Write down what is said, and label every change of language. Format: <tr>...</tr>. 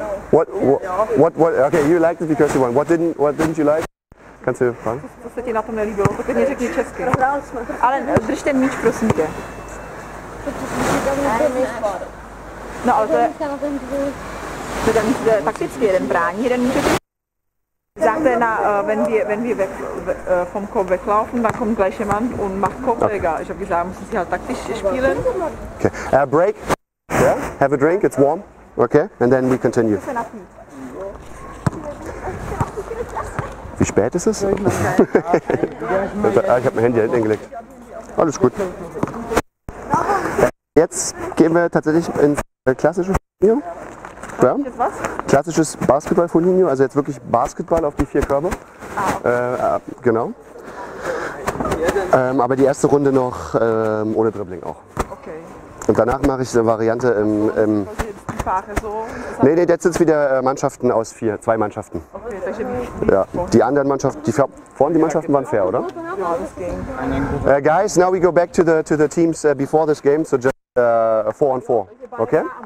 <en>What, okay, you liked it because you won. What didn't you like?</en> <de>Kannst du fragen?</de> <cs>Co se ti na tom nelíbilo, to klidně řekni česky. Ale drž ten míč, prosím tě. No, ale to je... To je míč, takticky jeden brání, jeden míč.</cs> <de>Na, wenn wir weg, vom Korb weglaufen, dann kommt gleich jemand und macht Korbträger. Okay. Ich habe gesagt, müssen sie halt taktisch spielen.</de> <en>Okay, break. Yeah. Have a drink, it's warm. Okay, and then we continue.</en> <de>Wie spät ist es? Ich habe mein Handy hinten gelegt. Alles gut. Jetzt gehen wir tatsächlich ins klassische Studio. Ja. Klassisches Basketball-Funino, also jetzt wirklich Basketball auf die vier Körbe. Genau. Aber die erste Runde noch ohne Dribbling auch. Okay. Und danach mache ich eine Variante im... So. Nee, jetzt sind es wieder Mannschaften aus vier, zwei Mannschaften. Okay, ja. Die anderen Mannschaften, die vorhin die Mannschaften waren fair, oder? Ja, das ging.</de> <en>Guys, now we go back to the teams before this game, so just 4-on-4, okay?</en>